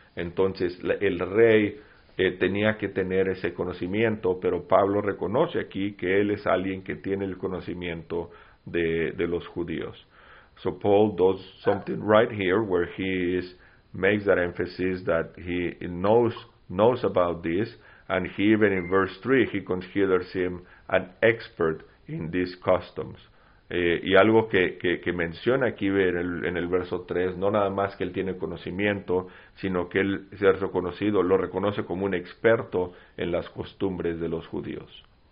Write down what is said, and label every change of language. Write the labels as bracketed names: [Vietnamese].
[Spanish] Entonces el rey tenía que tener ese conocimiento, pero Pablo reconoce aquí que él es alguien que tiene el conocimiento de los judíos. [English] So Paul does something right here where he is makes that emphasis that he knows about this, and he even in verse 3 he considers him an expert in these customs. [Spanish] Y algo que menciona aquí en el verso 3, no nada más que él tiene conocimiento, sino que él se ha reconocido, lo reconoce como un experto en las costumbres de los judíos.